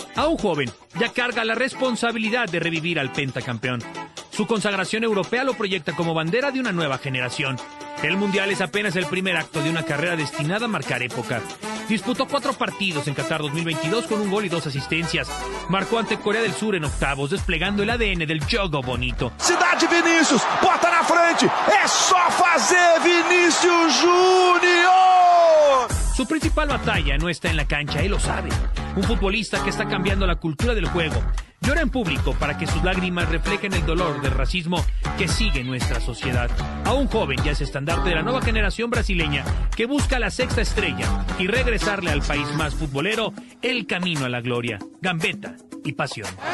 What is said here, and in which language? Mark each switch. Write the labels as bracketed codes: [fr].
[es] Aún joven, ya carga la responsabilidad de revivir al pentacampeón. Su consagración europea lo proyecta como bandera de una nueva generación. El Mundial es apenas el primer acto de una carrera destinada a marcar época. Disputó 4 partidos en Qatar 2022 con un gol y 2 asistencias. Marcó ante Corea del Sur en octavos, desplegando el ADN del jogo bonito. [pt] Cidade Vinicius, bota na frente, é só fazer Vinicius Júnior! [es] Su principal batalla no está en la cancha, él lo sabe. Un futbolista que está cambiando la cultura del juego. Llora en público para que sus lágrimas reflejen el dolor del racismo que sigue nuestra sociedad. Aún joven, ya es estandarte de la nueva generación brasileña que busca la sexta estrella y regresarle al país más futbolero el camino a la gloria, gambeta y pasión.